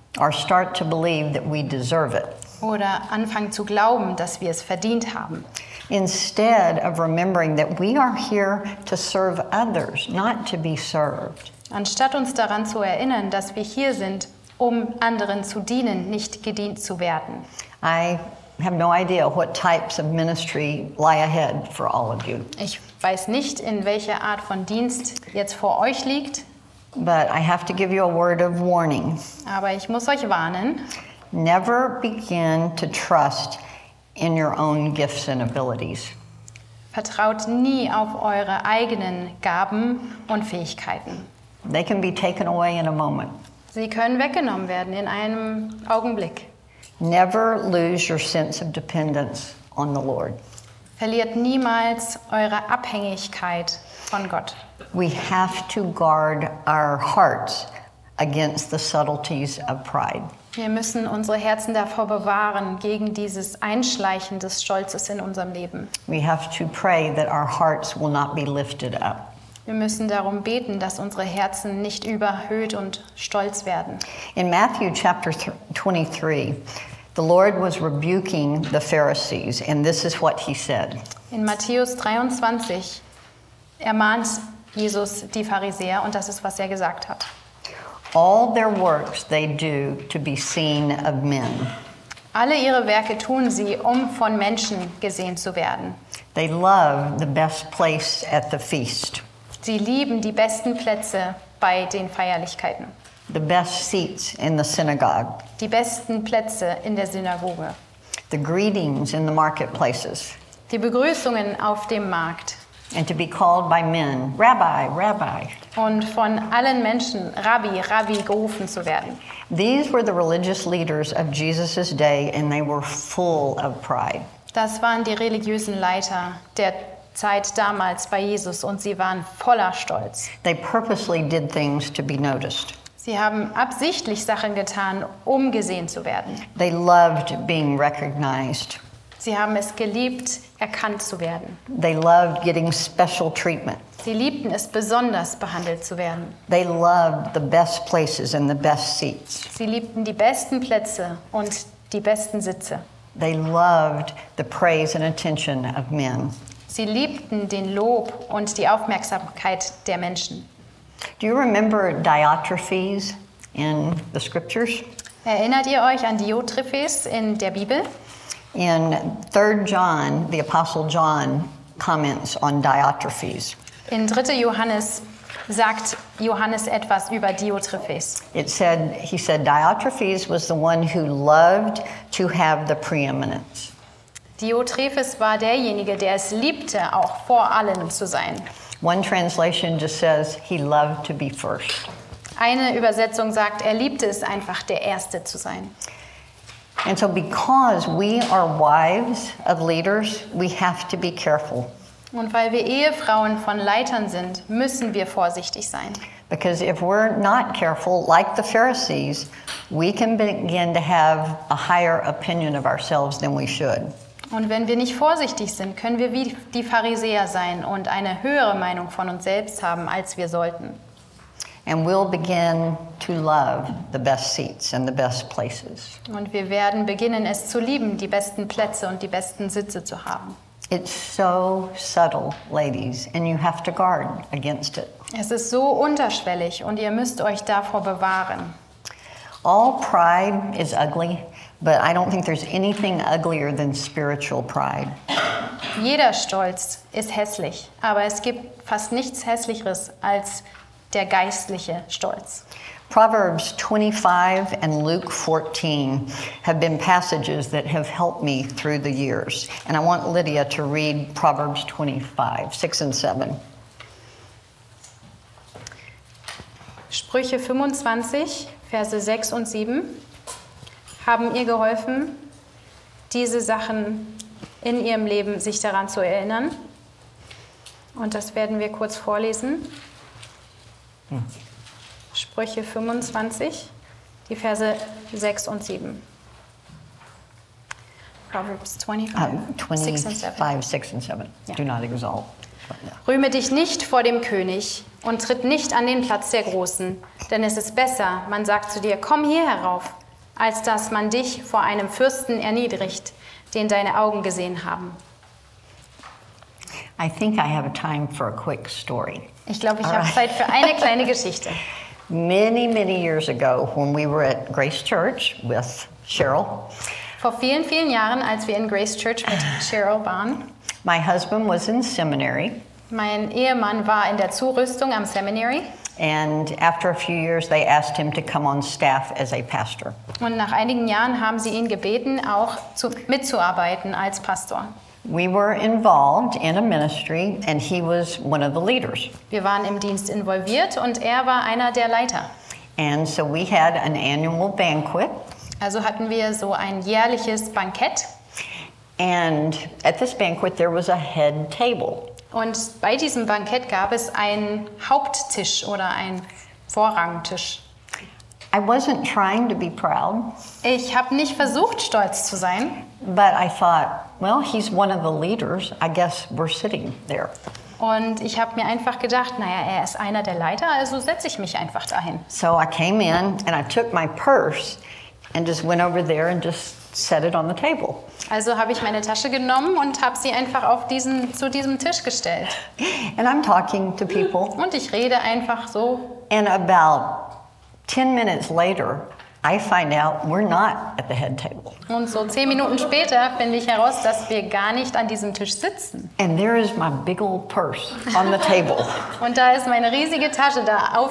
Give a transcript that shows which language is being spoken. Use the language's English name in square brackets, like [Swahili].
[English] Or start to believe that we deserve it. [German] Oder anfangen zu glauben, dass wir es verdient haben. [English] Instead of remembering that we are here to serve others, not to be served. [German] Anstatt uns daran zu erinnern, dass wir hier sind, um anderen zu dienen, nicht gedient zu werden. [English] I have no idea what types of ministry lie ahead for all of you. [German] Ich weiß nicht, in welcher Art von Dienst jetzt vor euch liegt. [English] But I have to give you a word of warning. [German] Aber ich muss euch warnen. [English] Never begin to trust in your own gifts and abilities. [German] Vertraut nie auf eure eigenen Gaben und Fähigkeiten. [English] They can be taken away in a moment. [German] Sie können weggenommen werden in einem Augenblick. [English] Never lose your sense of dependence on the Lord. [German] Verliert niemals eure Abhängigkeit von Gott. [English] We have to guard our hearts against the subtleties of pride. [German] Wir müssen unsere Herzen davor bewahren gegen dieses Einschleichen des Stolzes in unserem Leben. [English] We have to pray that our hearts will not be lifted up. [German] Wir müssen darum beten, dass unsere Herzen nicht überhöht und stolz werden. [English] In Matthew chapter 23, the Lord was rebuking the Pharisees, and this is what he said. [German] In Matthäus 23 ermahnt Jesus die Pharisäer, und das ist, was er gesagt hat. [English] All their works they do to be seen of men. [German] Alle ihre Werke tun sie, um von Menschen gesehen zu werden. [English] They love the best place at the feast. [German] Sie lieben die besten Plätze bei den Feierlichkeiten. [English] The best seats in the synagogue. [German] Die besten Plätze in der Synagoge. [English] The greetings in the marketplaces. [German] Die Begrüßungen auf dem Markt. [English] And to be called by men, Rabbi, Rabbi. [German] Und von allen Menschen, Rabbi, Rabbi, gerufen zu werden. [English] These were the religious leaders of Jesus' day, and they were full of pride. [German] Das waren die religiösen Leiter der Zeit damals bei Jesus, und sie waren voller Stolz. [English] They purposely did things to be noticed. [German] Sie haben absichtlich Sachen getan, um gesehen zu werden. [English] They loved being recognized. [German] Sie haben es geliebt, erkannt zu werden. [English] They loved getting special treatment. [German] Sie liebten es, besonders behandelt zu werden. [English] They loved the best places and the best seats. [German] Sie liebten die besten Plätze und die besten Sitze. [English] They loved the praise and attention of men. [German] Sie liebten den Lob und die Aufmerksamkeit der Menschen. [English] Do you remember Diotrephes in the scriptures? [German] Erinnert ihr euch an Diotrephes in der Bibel? [English] In 3 John, the Apostle John comments on Diotrephes. [German] In 3. Johannes sagt Johannes etwas über Diotrephes. [English] He said Diotrephes was the one who loved to have the preeminence. [German] Diotrephes war derjenige, der es liebte, auch vor allen zu sein. [English] One translation just says he loved to be first. [German] Eine Übersetzung sagt, er liebte es einfach, der Erste zu sein. [English] And so because we are wives of leaders, we have to be careful. [German] Und weil wir Ehefrauen von Leitern sind, müssen wir vorsichtig sein. [English] Because if we're not careful, like the Pharisees, we can begin to have a higher opinion of ourselves than we should. [German] Und wenn wir nicht vorsichtig sind, können wir wie die Pharisäer sein und eine höhere Meinung von uns selbst haben, als wir sollten. [English] And we'll begin to love the best seats and the best places. [German] Und wir werden beginnen, es zu lieben, die besten Plätze und die besten Sitze zu haben. [English] It's so subtle, ladies, and you have to guard against it. [German] Es ist so unterschwellig und ihr müsst euch davor bewahren. [English] All pride is ugly, but I don't think there's anything uglier than spiritual pride. [German] Jeder Stolz ist hässlich, aber es gibt fast nichts Hässlicheres als der geistliche Stolz. [English] Proverbs 25 and Luke 14 have been passages that have helped me through the years. And I want Lydia to read Proverbs 25, 6 and 7. [German] Sprüche 25, Verse 6 und 7 haben ihr geholfen, diese Sachen in ihrem Leben sich daran zu erinnern. Und das werden wir kurz vorlesen. Sprüche 25, die Verse 6 und 7. [English] Proverbs 25, 6 and 7. Do not exalt. Yeah. [German] Rühme dich nicht vor dem König und tritt nicht an den Platz der Großen, denn es ist besser, man sagt zu dir, komm hier herauf, als dass man dich vor einem Fürsten erniedrigt, den deine Augen gesehen haben. [English] I think I have time for a quick story. [German] Ich glaube, ich habe Zeit für eine kleine Geschichte. [English] Many, many years ago, when we were at Grace Church with Cheryl, [German] Vor vielen, vielen Jahren, als wir in Grace Church mit Cheryl waren. [English] My husband was in seminary. [German] Mein Ehemann war in der Zurüstung am Seminary. [English] And after a few years, they asked him to come on staff as a pastor. [German] Und nach einigen Jahren haben sie ihn gebeten, auch mitzuarbeiten als Pastor. [English] We were involved in a ministry, and he was one of the leaders. [German] Wir waren im Dienst involviert, und er war einer der Leiter. [English] And so we had an annual banquet. [German] Also hatten wir so ein jährliches Bankett. [English] And at this banquet, there was a head table. [German] Und bei diesem Bankett gab es einen Haupttisch oder einen Vorrangtisch. [English] I wasn't trying to be proud. [German] Ich habe nicht versucht, stolz zu sein. [English] But I thought, well, he's one of the leaders. I guess we're sitting there. [German] Und ich habe mir einfach gedacht, naja, er ist einer der Leiter, also setze ich mich einfach dahin. [English] So I came in and I took my purse and just went over there and just set it on the table. [German] Also habe ich meine Tasche genommen und habe sie einfach auf diesen zu diesem Tisch gestellt. [English] And I'm talking to people. [German] Und ich rede einfach so. [English] And about 10 minutes later, I find out we're not at the head table. [German] Und so 10 Minuten später finde ich heraus, dass wir gar nicht an diesem Tisch sitzen. [English] And there is my big old purse on the table. [German] Und da ist meine riesige Tasche da auf